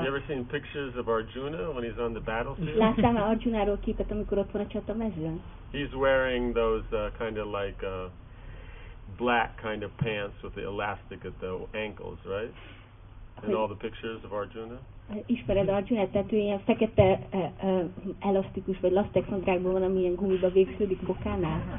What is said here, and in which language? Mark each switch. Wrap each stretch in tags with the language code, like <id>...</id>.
<en>You ever seen pictures of Arjuna when he's on the battlefield?</en> <hu>Láttam már Arjunáról képet, amikor ott van a csatamezőn?</hu> <en>He's wearing those kind of like black kind of pants with the elastic at the ankles, right? In all the pictures of Arjuna.</en> <hu>Ismered Arjuna, tehát ő ilyen fekete elasztikus vagy lasztex nadrágban van, amilyen gumiba végződik bokánál?</hu>